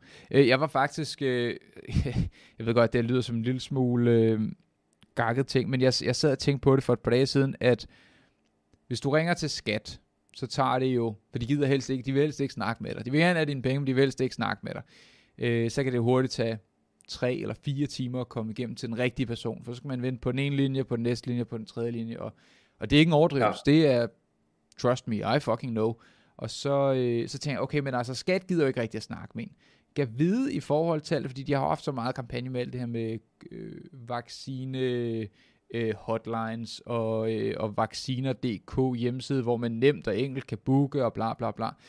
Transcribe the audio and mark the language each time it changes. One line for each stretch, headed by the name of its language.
Danish: Jeg var faktisk, jeg ved godt, det lyder som en lille smule gakket ting, men jeg sad og tænkte på det for et par dage siden, at hvis du ringer til skat, så tager det jo, for de gider helst ikke, de vil helst ikke snakke med dig. De vil gerne have dine penge, men de vil helst ikke snakke med dig. Så kan det hurtigt tage 3 eller 4 timer at komme igennem til den rigtige person, for så skal man vente på den ene linje, på den næste linje, på den tredje linje, og det er ikke en overdrivelse, ja. Det er,
English: trust me, I fucking know.
Danish: Og så tænker jeg, okay, men altså, skat gider jo ikke rigtig at snakke med en. Gav vide i forhold til alt, fordi de har haft så meget kampagne med alt det her med vaccine hotlines og vacciner.dk hjemmeside, hvor man nemt og enkelt kan booke og bla bla bla.